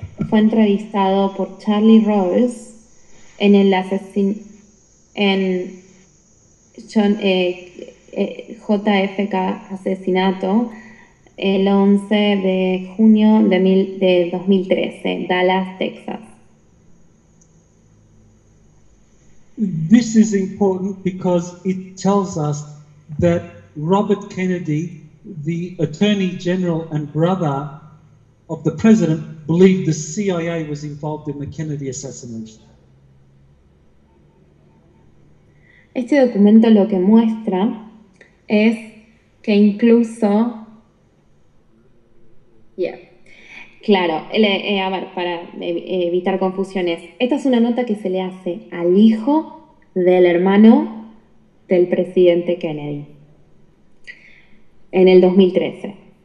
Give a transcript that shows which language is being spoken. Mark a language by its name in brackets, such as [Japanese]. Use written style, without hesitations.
[Spanish] fue entrevistado por Charlie Rose en el JFK asesinato el 11 de junio de 2013, Dallas, Texas. [English] This is important because it tells us that Robert Kennedy, the Attorney General and brother of the President, believed the CIA was involved in the Kennedy assassination. [Spanish] Este documento lo que muestra es que incluso, evitar confusiones, esta es una nota que se le hace al hijo del hermano del presidente Kennedy en el 2013.